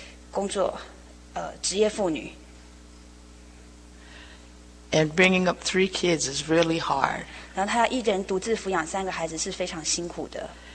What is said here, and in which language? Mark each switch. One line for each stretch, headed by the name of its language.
Chinese: 我的母亲她也是全职的工作，职业妇女。
English: And bringing up three kids is really hard.
Chinese: 然后他一人独自抚养三个孩子是非常辛苦的。